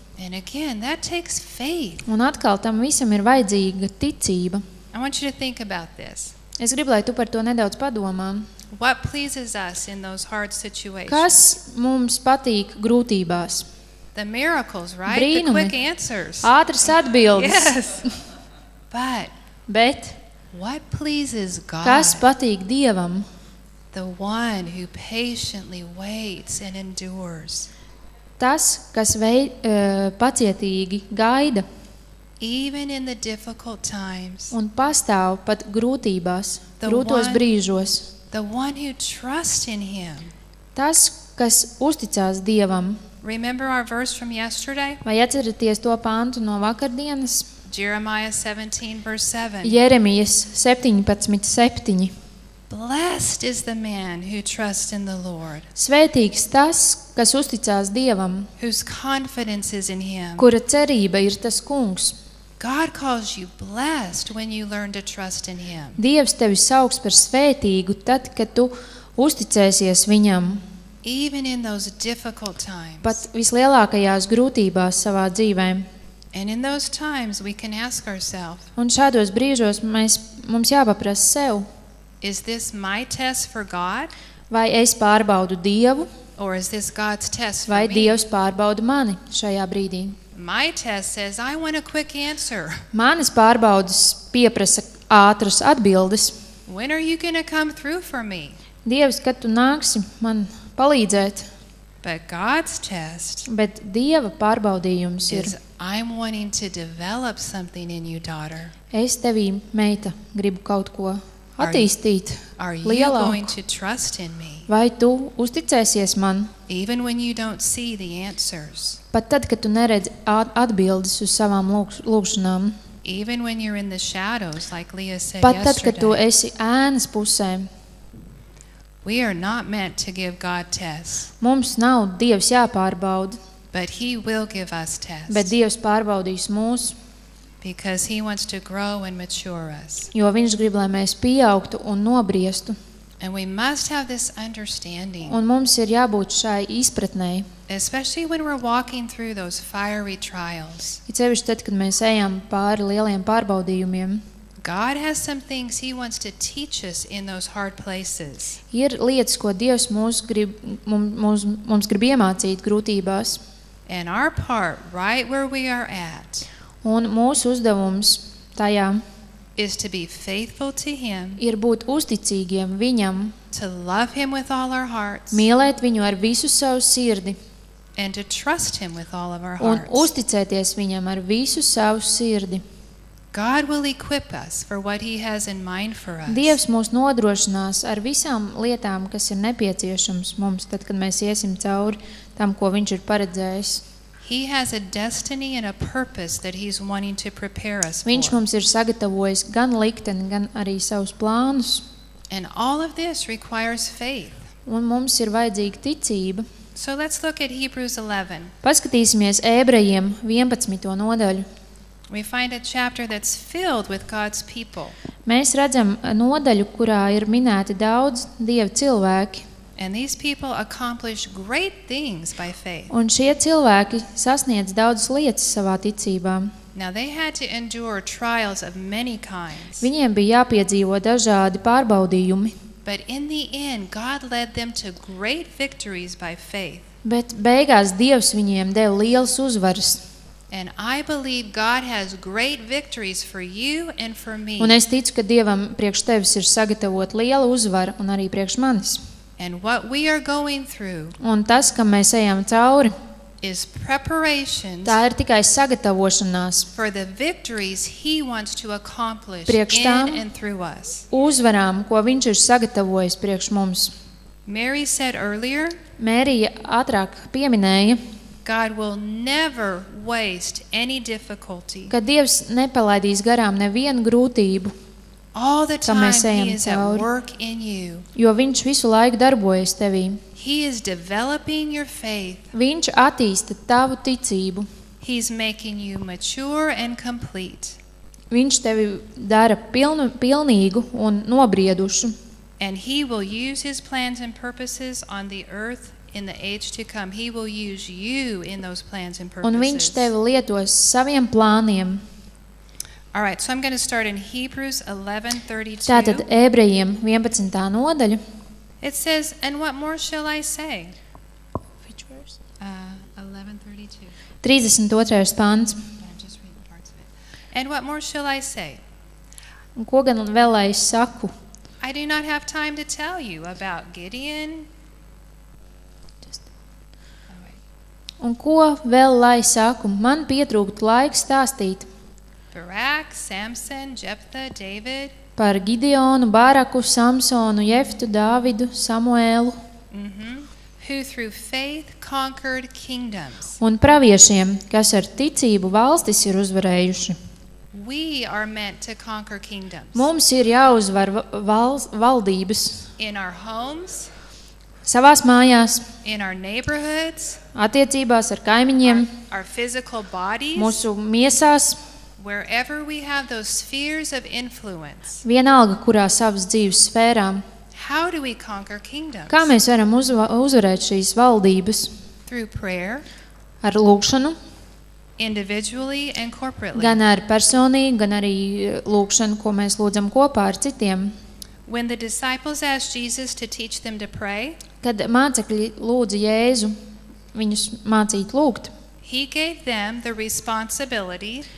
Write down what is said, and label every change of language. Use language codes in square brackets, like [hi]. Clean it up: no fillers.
[en] And again, that takes faith. [lv] Un atkal tam visam ir vajadzīga ticība. [en] I want you to think about this. [lv] Es gribu, lai tu par to nedaudz padomā. [en] What pleases us in those hard situations? [lv] Kas mums patīk grūtībās? [en] The miracles, right? [lv] Brīnumi. [en] The quick answers. [lv] Ātras atbildes. [en] Yes. But [lv] bet [en] what pleases God? [lv] Kas patīk Dievam? [en] The one who patiently waits and endures. [lv] Tas, kas pacietīgi gaida. [en] Even in the difficult times. [lv] Un pastāv pat grūtībās, grūtos brīžos. [en] The one who trusts in him. [lv] Tas, kas uzticās Dievam. [en] Remember our verse from yesterday? [lv] Vai atceraties to pantu no vakardienas? [en] Jeremiah 17, verse 7. [lv] Jeremijas 17:7. [en] Blessed is the man who trusts in the Lord. [lv] Svētīgs tas, kas uzticās Dievam. [en] Whose confidence is in him. [lv] Kura cerība ir tas Kungs. [en] God calls you blessed when you learn to trust in him. [lv] Dievs tevi sauc par svētīgu tad, kad tu uzticēsies viņam. [en] Even in those difficult times. [lv] Pat vislielākajās grūtībās savā dzīvē. [en] And in those times we can ask ourselves. [lv] Un šādos brīžos mums jāpaprasa sev. [en] Is this my test for God? [lv] Vai es pārbaudu Dievu? [en] Or is this God's test for me? [lv] Vai Dievs pārbauda mani šajā brīdī? [en] My test says I want a quick answer. [lv] Manas pārbaudes pieprasa ātras atbildes. [en] When are you going to come through for me? [lv] Dievs, kad tu nāksi man palīdzēt? [en] But God's test. [lv] Bet Dieva pārbaudījums ir [en] I'm wanting to develop something in you, daughter. [lv] Es tevī, meita, gribu kaut ko attīstīt lielāku. [en] Are you going to trust in me? [lv] Vai tu uzticēsies man? [en] Even when you don't see the answers. [lv] Pat tad, kad tu neredzi atbildes uz savām lūkšanām. [en] Even when you're in the shadows, like Leah said yesterday. [lv] Pat tad, kad tu esi ēnas pusē. [en] We are not meant to give God tests. [lv] Mums nav Dievs jāpārbauda. [en] But he will give us tests. [lv] Bet Dievs pārbaudīs mūs. [en] Because he wants to grow and mature us. [lv] Jo viņš grib, lai mēs pieaugtu un nobriestu. [en] And we must have this understanding. [lv] Un mums ir jābūt šai izpratnei. [en] Especially when we're walking through those fiery trials. [lv] It's sevišķi tad, kad mēs ejam pāri lieliem pārbaudījumiem. [en] God has some things he wants to teach us in those hard places. [lv] Ir lietas, ko Dievs mums grib iemācīt grūtībās. [en] And our part right where we are at. [lv] Un mūsu uzdevums tajā [en] is to be faithful to him. [lv] Ir būt uzticīgiem viņam. [en] To love him with all our hearts. [lv] Mīlēt viņu ar visu savu sirdi. [en] And to trust him with all of our hearts. [lv] Un uzticēties viņam ar visu savu sirdi. [en] God will equip us for what he has in mind for us. [lv] Dievs mūs nodrošinās ar visām lietām, kas ir nepieciešams mums, tad, kad mēs iesim cauri tam, ko viņš ir paredzējis. [en] He has a destiny and a purpose that he's wanting to prepare us for. [lv] Viņš mums ir sagatavojis gan likteni, gan arī savus plānus. [en] And all of this requires faith. [lv] Un mums ir vajadzīga ticība. [en] So let's look at Hebrews 11. [lv] Paskatīsimies Ebrejiem 11. Nodaļu. [en] We find a chapter that's filled with God's people. [lv] Mēs redzam nodaļu, kurā ir minēti daudz Dieva cilvēki. [en] And these people accomplish great things by faith. [lv] Un šie cilvēki sasniedz daudzas lietas savā ticībā. [en] Now they had to endure trials of many kinds. [lv] Viņiem bija jāpiedzīvo dažādi pārbaudījumi. [en] But in the end, God led them to great victories by faith. [lv] Bet beigās Dievs viņiem deva lielas uzvaras. [en] And I believe God has great victories for you and for me. [lv] Un es ticu, ka Dievam priekš tevis ir sagatavot lielu uzvaru un arī priekš manis. [en] And what we are going through. [lv] Un tas, kam mēs ejam cauri, [en] is preparation. [lv] Tā ir tikai sagatavošanās [en] for the victories he wants to accomplish [lv] priekš tām [en] in and through us. [lv] Uzvarām, ko viņš ir sagatavojis priekš mums. [en] Mary said earlier. [lv] Mērija ātrāk pieminēja. [en] God will never waste any difficulty. [lv] Kad Dievs nepalaidīs garām nevienu grūtību. [en] All the time he is at work in you. [lv] Jo viņš visu laiku darbojas tevī. [en] He is developing your faith. [lv] Viņš attīsta tavu ticību. [en] He's making you mature and complete. [lv] Viņš tevi dara pilnīgu un nobriedušu. [en] And he will use his plans and purposes on the earth in the age to come, he will use you in those plans and purposes. [lv] Un viņš tevi lietos saviem plāniem. [en] All right, so I'm going to start in Hebrews 11:32. [lv] Tātad Ebrejiem 11. Nodaļa. [en] It says, and what more shall I say? Which verse? 11:32. [lv] 32. Pants. [en] And what more shall I say? [lv] Un ko gan vēl lai es saku? [en] I do not have time to tell you about Gideon. [lv] Un ko vēl lai saku? Man pietrūkt laiks stāstīt. [en] Barak, Samson, Jephthah, David. [lv] Par Gideonu, Baraku, Samsonu, Jeftu, Dāvidu, Samuēlu. [en] Who through faith conquered kingdoms. [lv] Un praviešiem, kas ar ticību valstis ir uzvarējuši. [en] We are meant to conquer kingdoms. [lv] Mums ir jāuzvar valdības. [en] In our homes. [lv] Savās mājās. [en] In our neighborhoods. [lv] Attiecībās ar kaimiņiem. [en] Our physical bodies. [lv] Mūsu miesās. [en] Wherever we have those spheres of influence. [lv] Vienalga, kurā savas dzīves sfērām. [en] How do we conquer kingdoms? [lv] Kā mēs varam uzvarēt šīs valdības? [en] Through prayer. [lv] Ar lūkšanu. [en] Individually and corporately. [lv] Gan ar personīgu, gan arī lūkšanu, ko mēs lūdzam kopā ar citiem. [en] When the disciples asked Jesus to teach them to pray. [lv] Kad mācekļi lūdza Jēzu, viņus mācīt lūgt. [en] He gave them the responsibility.